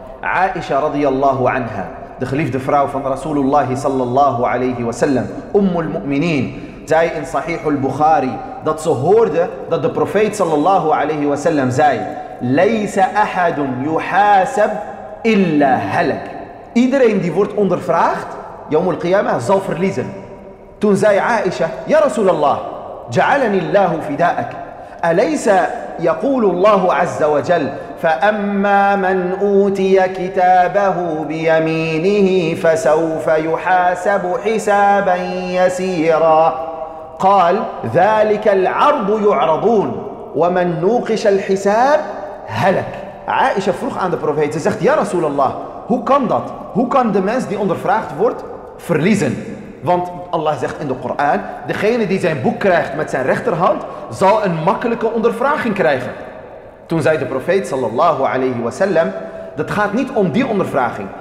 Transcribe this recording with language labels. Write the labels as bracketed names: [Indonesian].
[Dutch] Aisha radiyallahu anha, de geliefde vrouw van Rasulullah sallallahu alayhi wa sallam, Ummul Mu'minin, zei in Sahih al-Bukhari dat ze hoorde dat de profeet sallallahu alayhi wa sallam zei: [Arabic] Laysa ahadun yuhasab illa halak. [Dutch] Iedereen die wordt ondervraagd, [Arabic] yawm al-qiyamah, [Dutch] zal verliezen. Toen zei Aisha: [Arabic] Ya Rasulullah, ja'alani Allahu fida'ak. Alaysa yaqulu Allahu azza wa jal: فَأَمَّا مَنْ أُوْتِيَ كِتَابَهُ بِيَمِينِهِ فَسَوْفَ يُحَاسَبُ حِسَابًا يَسِيرًا قال ذَلِكَ الْعَرْضُ يُعْرَضُونَ وَمَنْ نُوْقِشَ الْحِسَابُ هَلَك. [Dutch] Aisha vroeg aan de profeet, ze zegt: Ja Rasulallah, hoe kan dat? Hoe kan de mens die ondervraagd wordt verliezen? Want Allah zegt in de Koran: degene die zijn boek krijgt met zijn rechterhand zal een makkelijke ondervraging krijgen. Toen zei de profeet sallallahu alayhi wa sallam: dat gaat niet om die ondervraging.